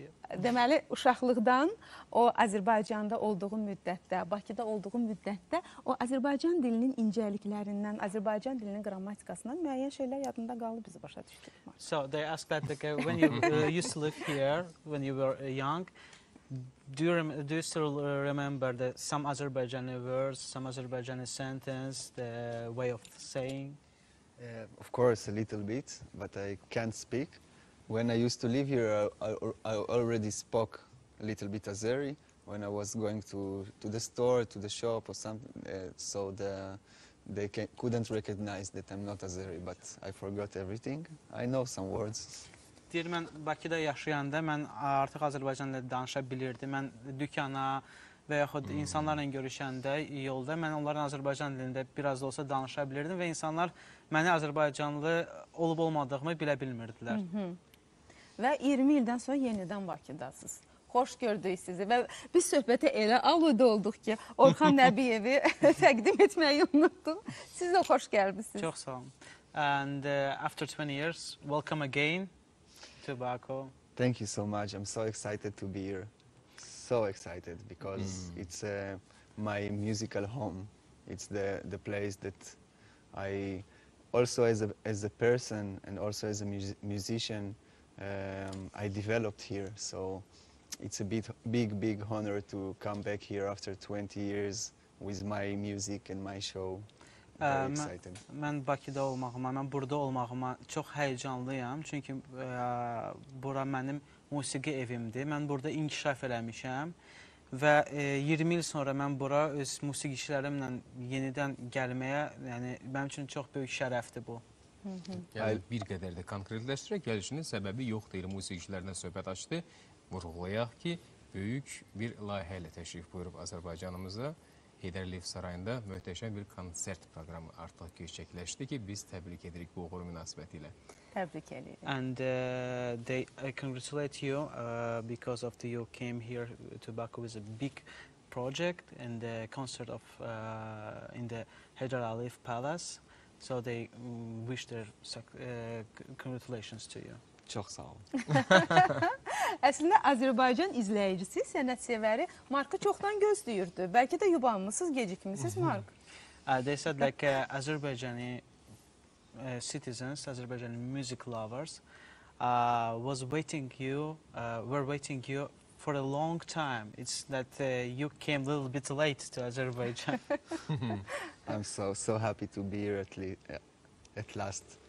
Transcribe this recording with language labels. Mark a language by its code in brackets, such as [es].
[az] Deməli, uşaqlıqdan o Azərbaycanda olduğum müddətdə, Bakıda olduğum müddətdə o Azərbaycan dilinin incəliklərindən, Azərbaycan dilinin qrammatikasından müəyyən şeylər yadında qalıb bizi başa düşdük. [en] So, they asked that okay, when you used to live here, when you were young, do you still remember the, some Azerbaijani words, some Azerbaijani sentence, the way of saying? Of course, a little bit, but I can't speak. When I used to live here, I already spoke a little bit Azeri when I was going to the store, to the shop or something. So they couldn't recognize that I'm not Azeri, but I forgot everything. I know some words. [az] Deyir, mən Bakıda yaşayanda, mən artıq Azərbaycanla danışa bilirdim. Mən dükana və yaxud insanlarla görüşəndə, yolda, mən onların Azərbaycan dilində biraz da olsa danışa bilirdim və insanlar məni Azərbaycanlı olub-olmadığımı bilə bilmirdilər. Və 20 ildən sonra yenidən Bakıdasınız. Xoş gördük sizi və biz söhbətə elə aludə olduq ki, Orxan Nəbiyevi təqdim etməyi unutdum. Siz də xoş gəlmişsiniz. Çox sağ olun. [en] And after 20 years, welcome again to Baku. Thank you so much. I'm so excited to be here. So excited because it's my musical home. It's the place that I also as a person and also as a musician I developed here, so it's a big honor to come back here after 20 years with my music and my show. [az] Mən Bakıda olmağıma, mən burada olmağıma çox həyəcanlıyam, çünki bura mənim musiqi evimdir. Mən burada inkişaf eləmişəm və 20 il sonra mən bura öz musiqi işlərimlə yenidən gəlməyə, yəni mənim üçün çox böyük şərəfdir bu. Yəni, bir qədər də konkretləşdirək, gəlişinin səbəbi yoxdur, musiqi işlərindən söhbət açdı. Vurğulayaq ki, böyük bir layihə ilə təşrif buyurub Azərbaycanımıza. Heydər Əliyev Sarayında möhtəşəm bir konsert proqramı artıq gerçəkləşdi ki, biz təbrik edirik bu uğur münasibəti ilə. Təbrik edirik. [en] And they congratulate you because of you came here to Baku with a big project and the concert of in the Heydər Əliyev Palace. So they wish their congratulations to you. [az] Çox sağ ol. Əslində, Azərbaycan izləyicisi, sənət sevəri Markı çoxdan gözləyirdi. Bəlkə də yubanmısınız, gecikmisiniz, Mark? [en] They said like Azerbaijani citizens, Azerbaijani music lovers were waiting you for a long time. It's that you came a little bit late to Azerbaijan. I'm so happy to be here at last.